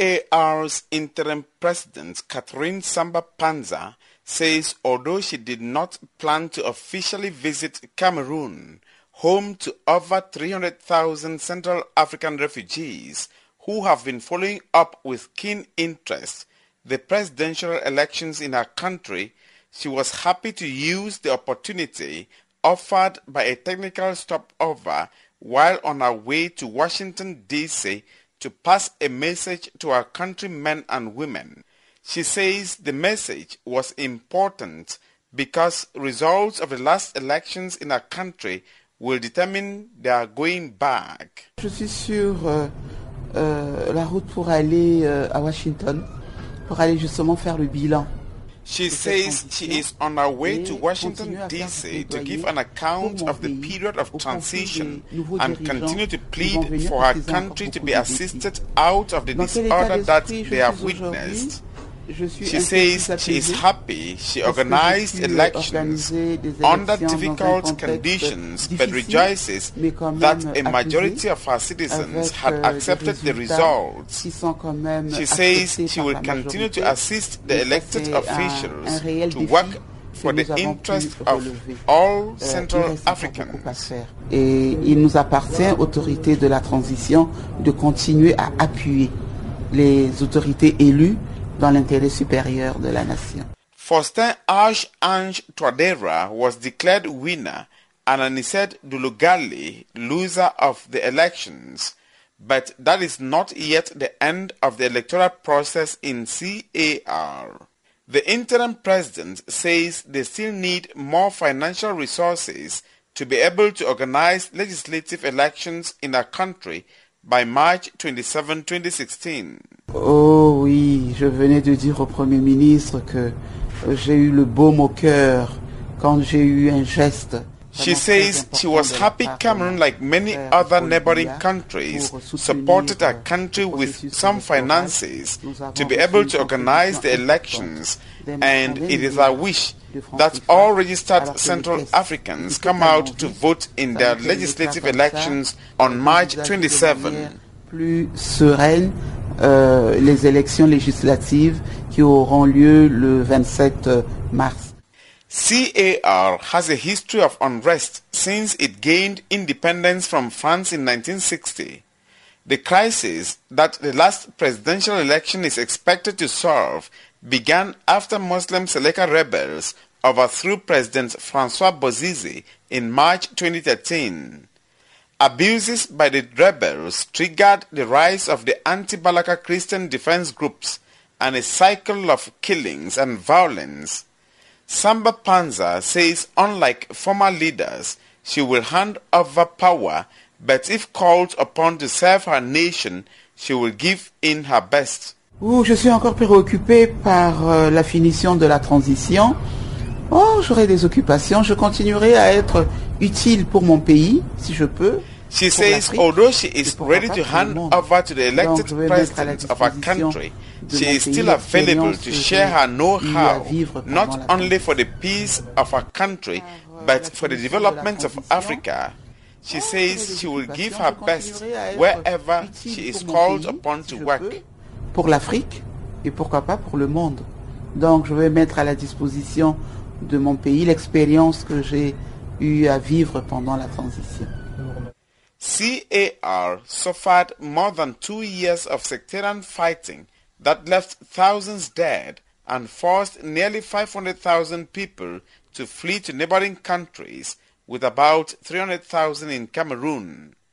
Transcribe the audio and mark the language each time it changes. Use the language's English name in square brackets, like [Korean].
[English] CAR's interim president, Catherine Samba Panza, says although she did not plan to officially visit Cameroon, home to over 300,000 Central African refugees who have been following up with keen interest the presidential elections in her country, she was happy to use the opportunity offered by a technical stopover while on her way to Washington, D.C. to pass a message to her countrymen and women. She says the message was important because results of the last elections in her country will determine they are going back. [French] Je suis sur la route pour aller à Washington pour aller justement faire le bilan. [English] She says she is on her way to Washington, D.C. to give an account of the period of transition and continue to plead for her country to be assisted out of the disorder that they have witnessed. She says she is happy she organized elections under difficult conditions but rejoices that a majority of her citizens had accepted the results. She says she will continue to assist the elected officials to work for the interest of all Central Africans. [French] Et il nous appartient, autorité de la transition, de continuer à appuyer les autorités élues dans l'intérêt supérieur de la nation. [English] Faustin Ash Ange Touadéra was declared winner and Anicet Dologali loser of the elections. But that is not yet the end of the electoral process in CAR. The interim president says they still need more financial resources to be able to organize legislative elections in our country by March 27, 2016. [French] Oh oui, je venais de dire au Premier ministre que j'ai eu le baume au cœur quand j'ai eu un geste. [English] She says she was happy Cameroon, like many other neighboring countries, supported her country with some finances to be able to organize the elections, and it is our wish that all registered Central Africans come out to vote in their legislative elections on March 27. [French] Plus sereine. Les élections législatives qui auront lieu le 27 mars. [English] CAR has a history of unrest since it gained independence from France in 1960. The crisis that the last presidential election is expected to solve began after Muslim Seleka rebels overthrew President Francois Bozizé in March 2013. Abuses by the rebels triggered the rise of the anti-Balaka Christian defense groups and a cycle of killings and violence. Samba Panza says unlike former leaders, she will hand over power, but if called upon to serve her nation, she will give in her best. [French] Je suis encore préoccupée par la finition de la transition. J'aurai des occupations. Je continuerai à être utile pour mon pays, si je peux. [English] She says although she is ready to hand over to the elected president of her country, she is still available to share her know-how, not only for the peace of her country, but for the development of Africa. She says she will give her best wherever she is called upon to work. [French] Pour l'Afrique et pourquoi pas pour le monde. Donc je vais mettre à la disposition de mon pays l'expérience que j'ai eu à vivre pendant la transition. [English] CAR suffered more than 2 years of sectarian fighting that left thousands dead and forced nearly 500,000 people to flee to neighboring countries, with about 300,000 in Cameroon.